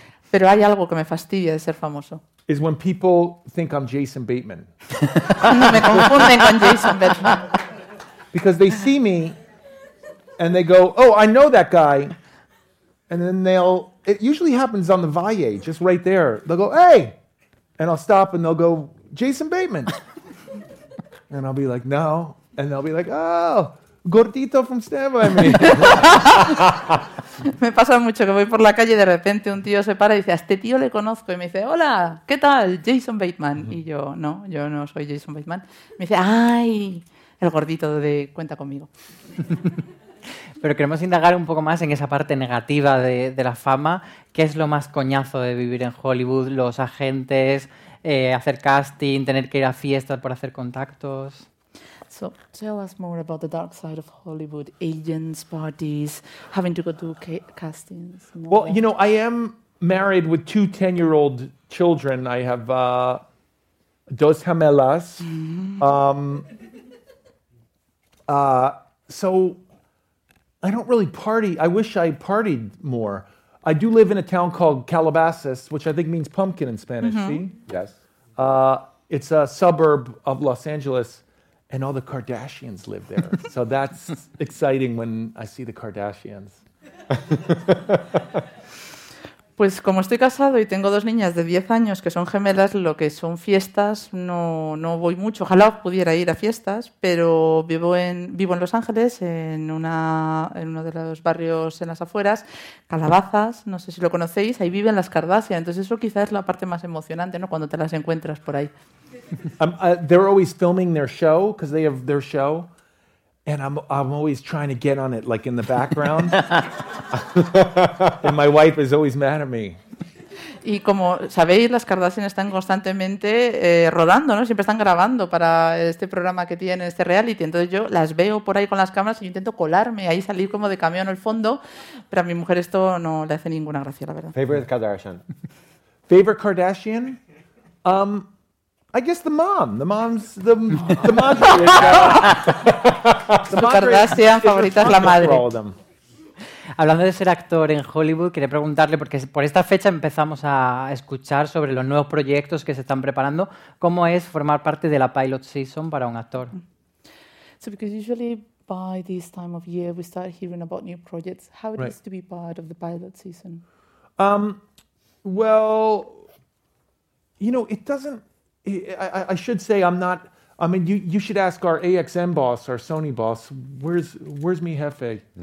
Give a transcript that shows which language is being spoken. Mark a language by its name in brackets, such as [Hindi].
[Spanish] Pero hay algo que me fastidia de ser famoso. [English] Is when people think I'm Jason Bateman. [Spanish] Me confunden con Jason Bateman. [English] Because they see me and they go, oh, I know that guy. And then it usually happens on the Valle, just right there. They'll go, hey. And I'll stop and they'll go, Jason Bateman. And I'll be like, no. And they'll be like, oh, Gordito from Stand By Me. [Spanish] Me pasa mucho que voy por la calle y de repente un tío se para y dice, a este tío le conozco. Y me dice, hola, ¿qué tal? Jason Bateman. Mm-hmm. Y yo no soy Jason Bateman. Me dice, ay, el gordito de Cuenta Conmigo. Pero queremos indagar un poco más en esa parte negativa de la fama. ¿Qué es lo más coñazo de vivir en Hollywood? ¿Los agentes, hacer casting, tener que ir a fiestas por hacer contactos? [English] So tell us more about the dark side of Hollywood, agents, parties, having to go to castings. Well, you know, I am married with 2 10-year-old children. I have 2 gemelas. Mm-hmm. So I don't really party. I wish I partied more. I do live in a town called Calabasas, which I think means pumpkin in Spanish. Mm-hmm. See? Yes. It's a suburb of Los Angeles. And all the Kardashians live there. So that's exciting when I see the Kardashians. [Spanish] Pues como estoy casado y tengo 2 niñas de 10 años que son gemelas, lo que son fiestas, no voy mucho. Ojalá pudiera ir a fiestas, pero vivo en Los Ángeles, en uno de los barrios en las afueras, Calabazas, no sé si lo conocéis, ahí viven las Kardashian. Entonces eso quizás es la parte más emocionante, ¿no? Cuando te las encuentras por ahí. [English] They're always filming their show because they have their show, and I'm always trying to get on it, like in the background. And my wife is always mad at me. [Spanish] Y como sabéis, las Kardashian están constantemente rodando, ¿no? Siempre están grabando para este programa que tienen, este reality. Entonces yo las veo por ahí con las cámaras y yo intento colarme ahí, salir como de cameo en el fondo, pero a mi mujer esto no le hace ninguna gracia, la verdad. [English] Favorite Kardashian. Favorite Kardashian. I guess the mom. The mom's the Madre. [Spanish] Su Kardashian favorita es la madre. Hablando de ser actor en Hollywood, quería preguntarle, porque por esta fecha empezamos a escuchar sobre los nuevos proyectos que se están preparando, ¿cómo es formar parte de la pilot season para un actor? [English] So because usually by this time of year we start hearing about new projects. How it is to be part of the pilot season? Well, you know, it doesn't... I should say I'm not. I mean, you should ask our AXN boss, our Sony boss. Where's [Spanish] mi jefe?